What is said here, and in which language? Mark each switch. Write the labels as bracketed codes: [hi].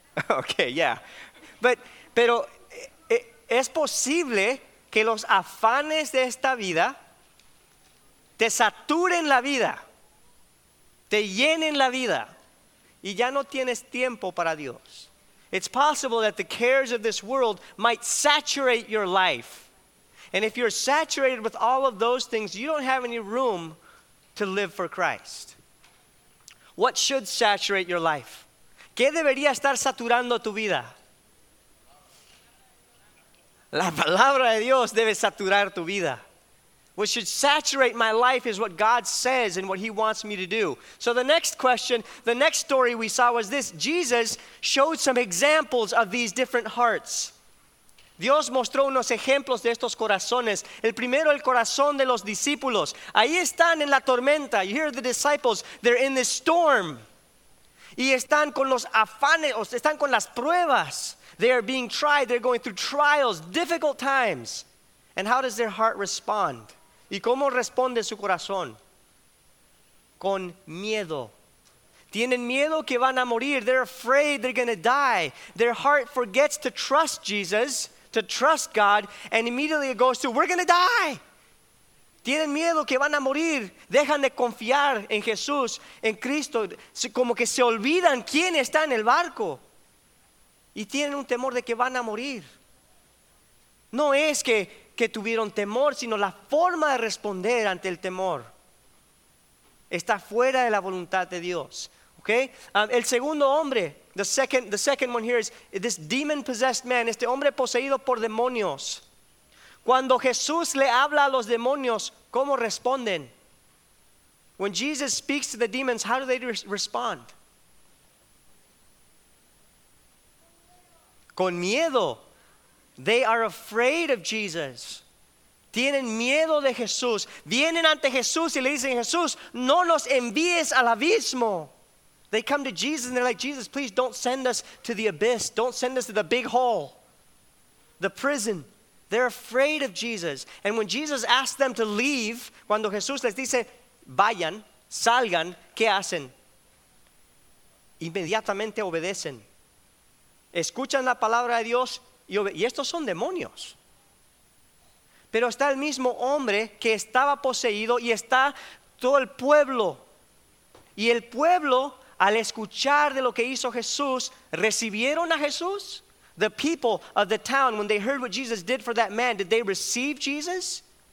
[es] Okay, yeah. Pero es posible que los afanes de esta vida te saturen la vida, te llenen la vida, y ya no tienes tiempo para Dios. [en] It's possible that the cares of this world might saturate your life. And if you're saturated with all of those things, you don't have any room to live for Christ. What should saturate your life? [es] ¿Qué debería estar saturando tu vida? La palabra de Dios debe saturar tu vida. [en] What should saturate my life is what God says and what he wants me to do. So the next question, the next story we saw was this. Jesus showed some examples of these different hearts. [es] Dios mostró unos ejemplos de estos corazones. El primero, el corazón de los discípulos. Ahí están en la tormenta. [en] You hear the disciples, they're in the storm. [es] Y están con los afanes, están con las pruebas. [en] They are being tried, they're going through trials, difficult times. And how does their heart respond? [es] ¿Y cómo responde su corazón? Con miedo. Tienen miedo que van a morir. [en] They're afraid they're going to die. Their heart forgets to trust Jesus, to trust God, and immediately it goes to, we're going to die. [es] Tienen miedo que van a morir. Dejan de confiar en Jesús, en Cristo. Como que se olvidan quién está en el barco. Y tienen un temor de que van a morir. No es que tuvieron temor, sino la forma de responder ante el temor está fuera de la voluntad de Dios. Okay? El segundo hombre, [en] the second one here is this demon-possessed man, [es] este hombre poseído por demonios. Cuando Jesús le habla a los demonios, ¿cómo responden? [en] When Jesus speaks to the demons, how do they respond? [es] Con miedo. [en] They are afraid of Jesus. [es] Tienen miedo de Jesús. Vienen ante Jesús y le dicen, Jesús, no nos envíes al abismo. [en] They come to Jesus and they're like, Jesus, please don't send us to the abyss. Don't send us to the big hole, the prison. They're afraid of Jesus. And when Jesus asks them to leave, [es] cuando Jesús les dice, vayan, salgan, ¿qué hacen? Inmediatamente obedecen. Escuchan la palabra de Dios y estos son demonios. Pero está el mismo hombre que estaba poseído y está todo el pueblo. Y el pueblo, al escuchar de lo que hizo Jesús, ¿recibieron a Jesús? [en] The people of the town, when they heard what Jesus did for that man, did they receive Jesus?